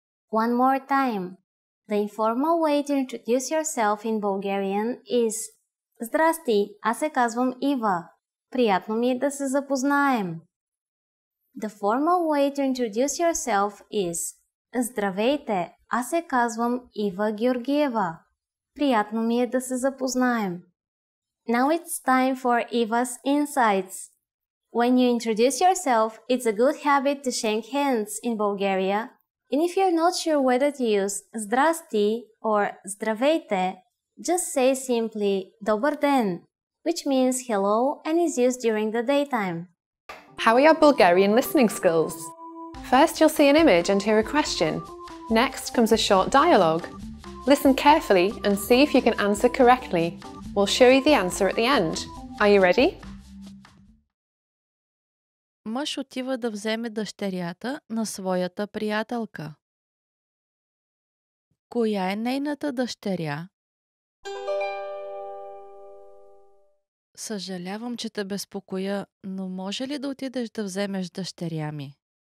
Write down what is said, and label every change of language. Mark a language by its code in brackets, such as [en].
[en] One more time. The informal way to introduce yourself in Bulgarian is [bg] Здрасти, аз се казвам Ива. Приятно ми е да се запознаем. [en] The formal way to introduce yourself is [bg] Здравейте, аз се казвам Ива Георгиева. Приятно ми е да се запознаем. [en] Now it's time for Eva's insights. When you introduce yourself, it's a good habit to shake hands in Bulgaria. And if you're not sure whether to use Здрасти or Здравейте, just say simply Добър ден, which means hello and is used during the daytime. How are your Bulgarian listening skills? First, you'll see an image and hear a question. Next comes a short dialogue. Listen carefully and see if you can answer correctly. We'll show you the answer at the end. Are you ready? [bg] Мъж отива да вземе дъщерята на своята приятелка. Коя е нейната дъщеря? Съжалявам, че те безпокоя, но може ли да отидеш да вземеш дъщеря ми?